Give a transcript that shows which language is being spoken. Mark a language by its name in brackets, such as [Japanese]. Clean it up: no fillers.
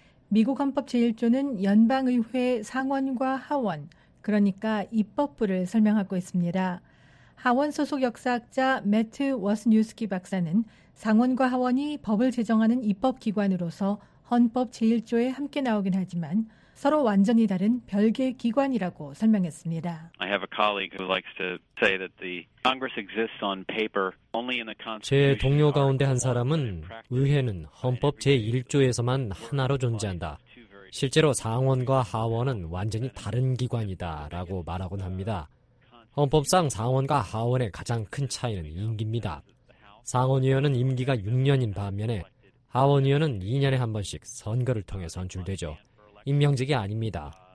[Korean] 미국 헌법 제1조는 연방의회 상원과 하원, 그러니까 입법부를 설명하고 있습니다. 하원 소속 역사학자 매트 워스뉴스키 박사는 상원과 하원이 법을 제정하는 입법기관으로서 헌법 제1조에 함께 나오긴 하지만 서로 완전히 다른 별개의 기관이라고 설명했습니다. [English] I have a colleague who likes to say that the Congress exists on paper only in the Constitution. [Korean] 제 동료 가운데 한 사람은 의회는 헌법 제1조에서만 하나로 존재한다. 실제로 상원과 하원은 완전히 다른 기관이다라고 말하곤 합니다. 헌법상 상원과 하원의 가장 큰 차이는 임기입니다. 상원의원은 임기가 6년인 반면에 하원의원은 2년에 한 번씩 선거를 통해 선출되죠. 임명직이 아닙니다.